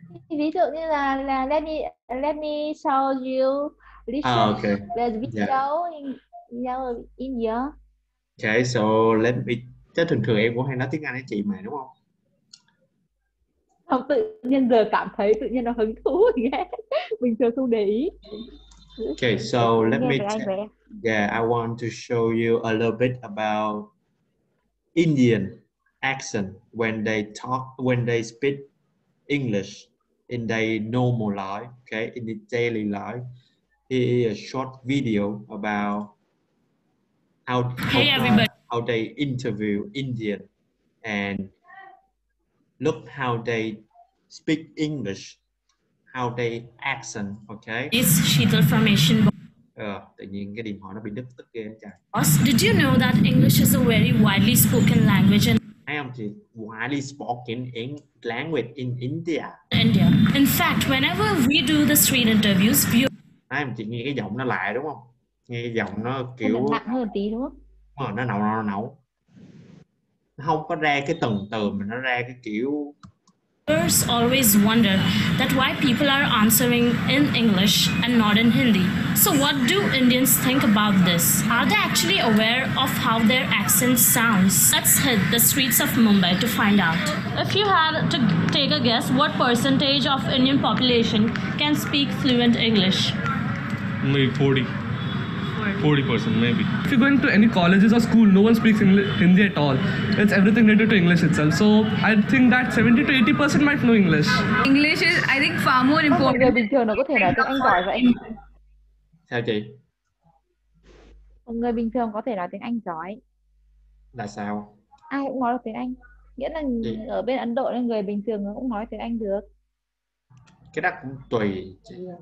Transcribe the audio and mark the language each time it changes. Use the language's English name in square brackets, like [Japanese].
[Vietnamese] Ví dụ như là [English] let me show you this video in your. Okay, so let me. [Vietnamese] Chắc thường thường em cũng hay nói tiếng Anh với chị mà đúng không? Không, tự nhiên giờ cảm thấy tự nhiên nó hứng thú ghê. Bình thường không để ý. [English] Okay, so let me. Yeah, I want to show you a little bit about Indian accent when they talk, when they speak English in their normal life, okay, in the daily life. Here is a short video about how they interview Indian and look how they speak English, how they accent, okay? This sheet of information. [Vietnamese] Tự nhiên cái điện thoại nó bị đứt tức ghê chà. [English] Did you know that English is a very widely spoken language? [Vietnamese] Hay không chị? [English] Widely spoken language in India. India. In fact, whenever we do the screen interviews, view. [Vietnamese] Hay không chị? Nghe cái giọng nó lại đúng không? Nghe cái giọng nó kiểu. Nặng hơn tí đúng không? Nó nấu, nấu. Nó không có ra cái từng từ mà nó ra cái kiểu. [English] Viewers always wonder that why people are answering in English and not in Hindi. So what do Indians think about this? Are they actually aware of how their accent sounds? Let's hit the streets of Mumbai to find out. If you had to take a guess, what percentage of Indian population can speak fluent English? Maybe 40. 40% maybe. If you go into any colleges or school, no one speaks Hindi at all. It's everything related to English itself. So I think that 70 to 80% might know English. English is, I think, far more important. [Vietnamese] Người bình thường nó có thể nói tiếng Anh giỏi vậy. Sao chị? Một người bình thường có thể nói tiếng Anh giỏi. Là sao? Ai cũng nói được tiếng Anh. Nghĩa là ở bên Ấn Độ nên người bình thường nó cũng nói tiếng Anh được. Cái đó cũng tùy chị.